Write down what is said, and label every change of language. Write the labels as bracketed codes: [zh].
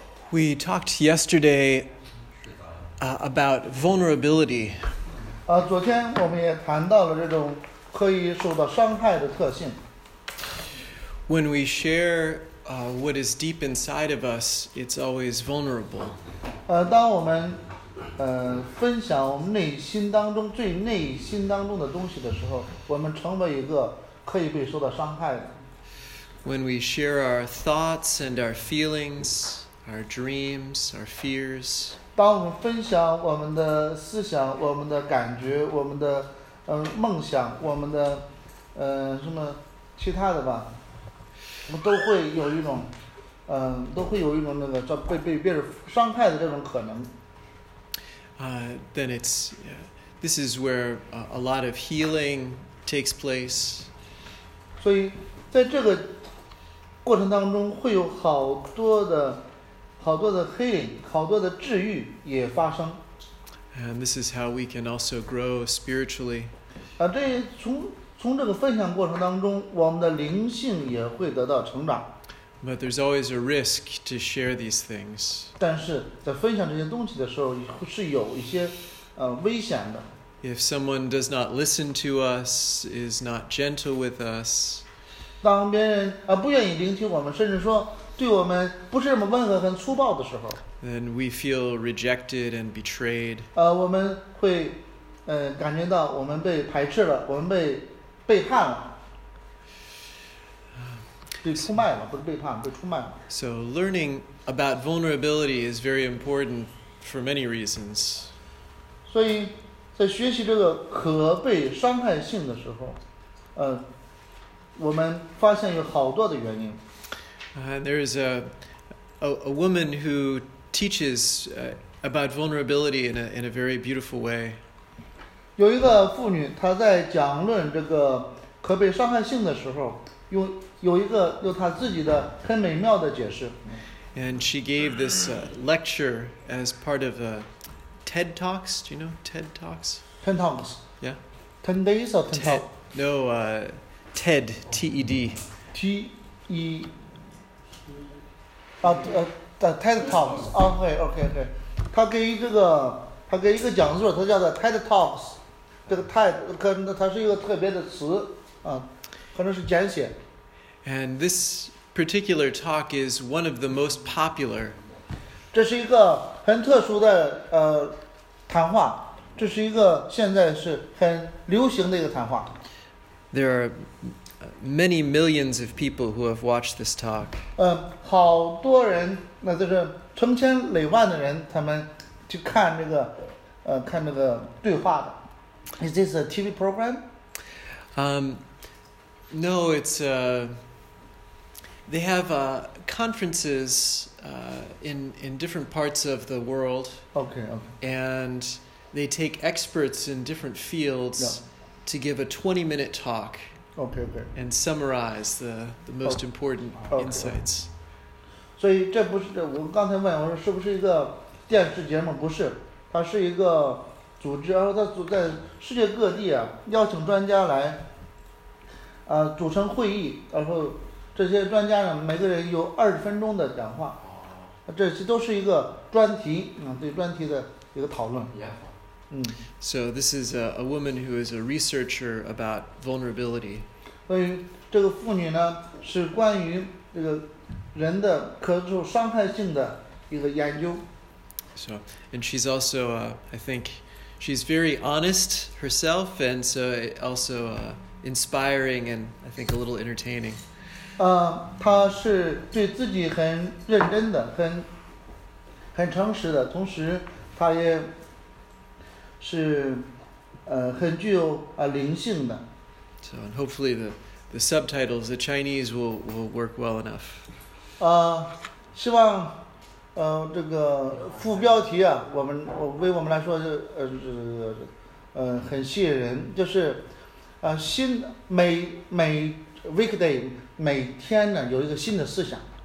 [en] We talked yesterday about vulnerability. [zh] 昨天我们也谈到了这种可以受到伤害的特性。 [en] When we share what is deep inside of us, it's always vulnerable. [zh] 当我们分享我们内心当中最内心当中的东西的时候，我们成为一个可以被受到伤害的。 [en] When we share our thoughts and our feelings. Our dreams, our fears. [zh] 当我们分享我们的思想、我们的感觉、我们的梦想、我们的什么其他的吧，我们都会有一种都会有一种那个叫被别人伤害的这种可能。 [en] Then it's this is where a lot of healing takes place. [zh] 所以在这个过程当中会有好多的。好多的 healing, 好多的治愈也发生。 [en] And this is how we can also grow spiritually. [zh] 这从这个分享过程当中，我们的灵性也会得到成长。 [en] But there's always a risk to share these things. [zh] 但是在分享这些东西的时候，是有一些危险的。 [en] If someone does not listen to us, is not gentle with us, [zh] 当别人不愿意聆听我们，甚至说。对我们不是那么温和很粗暴的时候 [en] then we feel rejected and betrayed [zh] 我们会感觉到我们被排斥了我们被背叛了被出卖了不是背叛被出卖了 [en] so learning about vulnerability is very important for many reasons [zh] 所以在学习这个可被伤害性的时候我们发现有好多的原因 [en] There is a woman who teaches about vulnerability in a very beautiful way. [zh] 有一个妇女，她在讲论这个可被伤害性的时候，用她自己的很美妙的解释。 [en] And she gave this lecture as part of a TED Talks. Do you know TED Talks? TED Talks. Yeah. 10 days or 10 talks? No, TED, T-E-D. T-E-D. TED Talks, okay. [zh] 他给一个，他给一个讲座，他叫做 TED Talks。这个 TED 可能它是一个特别的词，可能是简写。 [en] And this particular talk is one of the most popular. [zh] 这是一个很特殊的谈话，这是一个现在是很流行的一个谈话。 [en] There are. Many millions of people who have watched this talk. [zh] 好多人，那就是成千累万的人，他们去看这个，看这个对话的。 [en] Is this a TV program? No, it's they have conferences in different parts of the world. Okay. And they take experts in different fields to give a 20-minute talk. Okay. And summarize the most important insights. [zh] 所以这不是我刚才问我说是不是一个电视节目？不是，它是一个组织，然后它组在世界各地啊，邀请专家来，组成会议，然后这些专家呢，每个人有20分钟的讲话，这些都是一个专题，对专题的一个讨论。 [en] So this is a woman who is a researcher about vulnerability. [zh] 这个妇女呢是关于这个人的可受伤害性的一个研究。 [en] So, and she's also, I think, she's very honest herself, and so also inspiring and I think a little entertaining. [zh] 她是对自己很认真的，很诚实的，同时她也。是很具有灵性的。 [en] So, and hopefully the subtitles, the Chinese will work well enough. [zh] 希望这个副标题啊，我们为我们来说是很吸引人，就是新每 weekday 每天呢有一个新的思想。